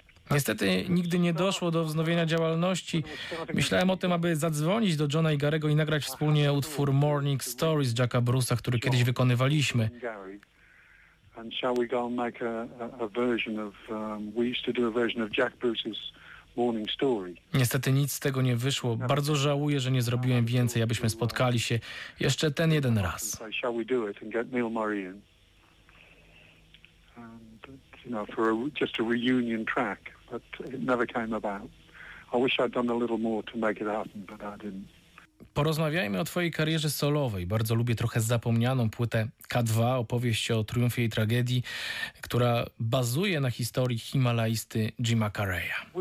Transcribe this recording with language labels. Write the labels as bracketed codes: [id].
[pl] Niestety nigdy nie doszło do wznowienia działalności. Myślałem o tym, aby zadzwonić do Johna i Garego i nagrać wspólnie utwór Morning Stories Jacka Bruce'a, który kiedyś wykonywaliśmy. [en] And shall we go and make a version of, we used to do a version of Jack Bruce's Morning Story. [pl] Niestety nic z tego nie wyszło. Bardzo żałuję, że nie zrobiłem więcej, abyśmy spotkali się jeszcze ten jeden raz. [en] Shall we do it and get Neil Murray in? And, you know, for just a reunion track, but it never came about. I wish I'd done a little more to make it happen, but I didn't. [pl] Porozmawiajmy o twojej karierze solowej. Bardzo lubię trochę zapomnianą płytę K2, opowieść o triumfie i tragedii, która bazuje na historii himalaisty Jima Carreya.